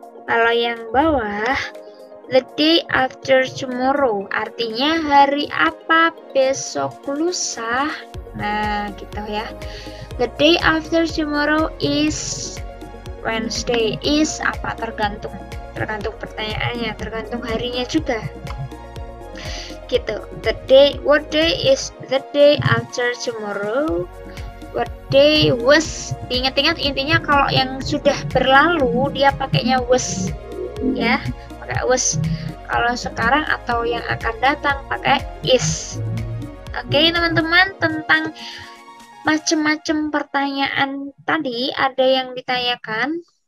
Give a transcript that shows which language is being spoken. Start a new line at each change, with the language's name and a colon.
Indonesian: Kalau yang bawah,
English: the day after tomorrow,
Indonesian: artinya hari apa besok lusa. Nah, gitu ya.
English: The day after tomorrow is Wednesday. Is apa?
Indonesian: Tergantung pertanyaannya, tergantung harinya juga. Gitu.
English: The day, what day is the day after tomorrow? What day was?
Indonesian: Ingat-ingat intinya kalau yang sudah berlalu dia pakainya was, ya. Pakai was. Kalau sekarang atau yang akan datang pakai is. Oke, teman-teman, tentang macam-macam pertanyaan tadi ada yang ditanyakan?